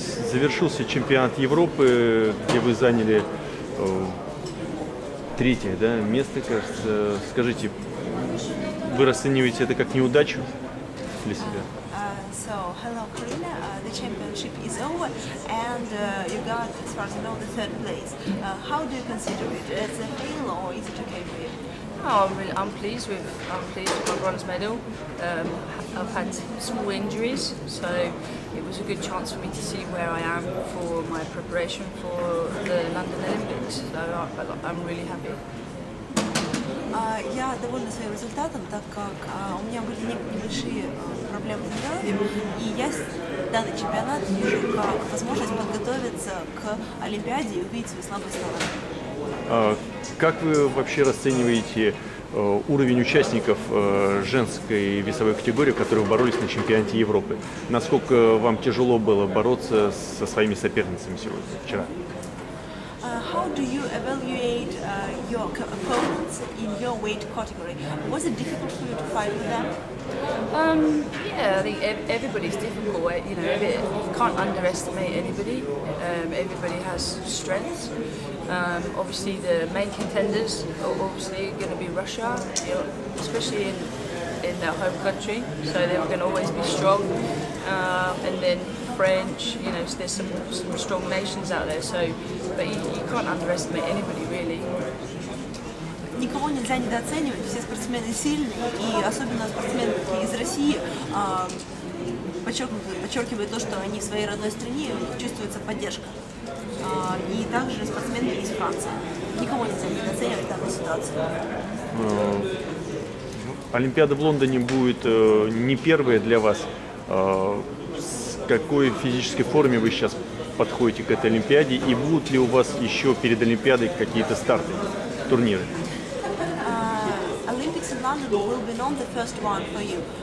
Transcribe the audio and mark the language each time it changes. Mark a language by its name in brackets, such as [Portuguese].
[Russian] Завершился чемпионат Европы, где вы заняли третье, да, место, кажется. Скажите, вы расцениваете это как неудачу для себя? [English] So, hello, Karina. The championship is over, and you got, as far as I know, the third place. How do you consider it? Is it a fail or is it okay for you? No, I'm pleased with my bronze medal. I've had small injuries, so it was a good chance for me to see where I am for my preparation for the London Olympics. So I'm really happy. [Russian] Я довольна своим результатом, так как у меня были небольшие проблемы с здоровьем, и я данный чемпионат вижу как возможность подготовиться к Олимпиаде и увидеть свою слабую сторону. Как вы вообще расцениваете уровень участников женской весовой категории, которые боролись на чемпионате Европы? Насколько вам тяжело было бороться со своими соперницами сегодня, вчера? [English] How do you evaluate your opponents in your weight category? Was it difficult for you to fight with them? Yeah, I think everybody's difficult. You know, you can't underestimate anybody. Everybody has strengths. Obviously, the main contenders are obviously going to be Russia, especially in their home country. So they're going to always be strong. And then French, you know, there's some strong nations out there. So, but you can't underestimate anybody, really. [Russian] Никого нельзя недооценивать. Все спортсмены сильны, и особенно спортсмены из России подчеркивают то, что они в своей родной стране, у них чувствуется поддержка. И также спортсмены из Франции. Никого нельзя недооценивать данную ситуацию. Олимпиада в Лондоне будет не первая для вас. В какой физической форме вы сейчас подходите к этой Олимпиаде и будут ли у вас еще перед Олимпиадой какие-то старты, турниры? [English] Olympics in London will be not the first one for you.